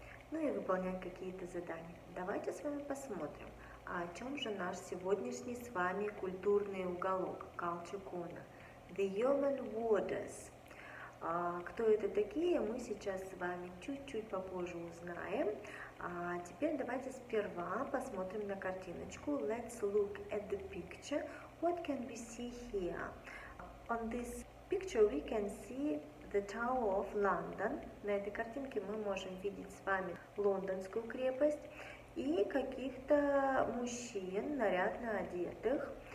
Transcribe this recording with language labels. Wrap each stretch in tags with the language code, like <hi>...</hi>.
<ru>Ну и выполнять какие-то задания. Давайте с вами посмотрим, а о чем же наш сегодняшний с вами культурный уголок, Culture Corner.</ru> <en>The Human Waters.</en> <ru>Кто это такие, мы сейчас с вами чуть-чуть попозже узнаем. А теперь давайте сперва посмотрим на картиночку.</ru> <en>Let's look at the picture. What can we see here? On this picture we can see the Tower of London.</en> <ru>На этой картинке мы можем видеть с вами Лондонскую крепость и каких-то мужчин, нарядно одетых.</ru>